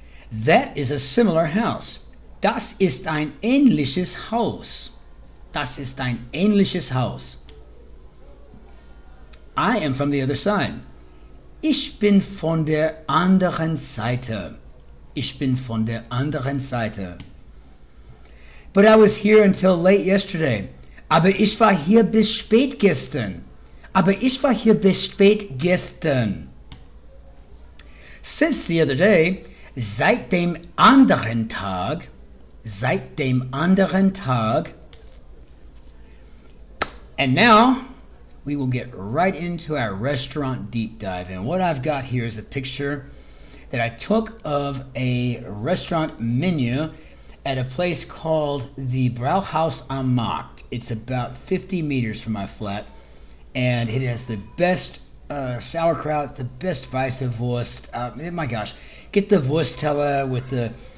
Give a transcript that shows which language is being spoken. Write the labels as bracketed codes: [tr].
[en] That is a similar house. [de] Das ist ein ähnliches Haus. Das ist ein ähnliches Haus. [en] I am from the other side. [de] Ich bin von der anderen Seite. Ich bin von der anderen Seite. [en] But I was here until late yesterday. [de] Aber ich war hier bis spät gestern. Aber ich war hier bis spät gestern. [en] Since the other day, [de] seit dem anderen Tag, seit dem anderen Tag. [en] And now, we will get right into our restaurant deep dive. And what I've got here is a picture that I took of a restaurant menu at a place called the Brauhaus am Markt. It's about 50 meters from my flat, and it has the best sauerkraut, the best Weisse Wurst. My gosh, get the Wurstteller with the